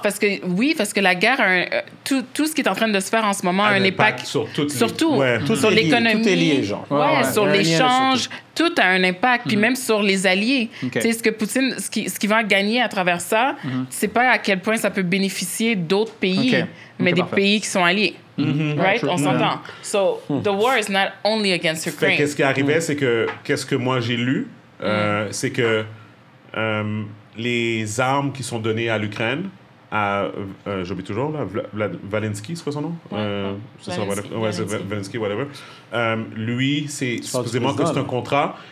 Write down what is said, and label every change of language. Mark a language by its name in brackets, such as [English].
[French] Parce que la guerre, tout ce qui est en train de se faire en ce moment a un impact. Sur l'économie. Tout est lié, genre. Ouais, ouais. Sur l'échange, tout a un impact. Puis même sur les alliés. Okay. Tu sais, ce que Poutine, ce qu'il va gagner à travers ça, c'est pas à quel point ça peut bénéficier d'autres pays, mais des pays qui sont alliés. Mm-hmm. [English] Right? [French] On s'entend. [English] So, the war is not only against Ukraine. [French] Qu'est-ce qui arrivait, c'est que, qu'est-ce que moi j'ai lu, c'est que les armes qui sont données à l'Ukraine, à, j'oublie toujours, là, Valensky, c'est quoi son nom? Valensky, [English] whatever. [French] Lui, c'est supposément que c'est un contrat.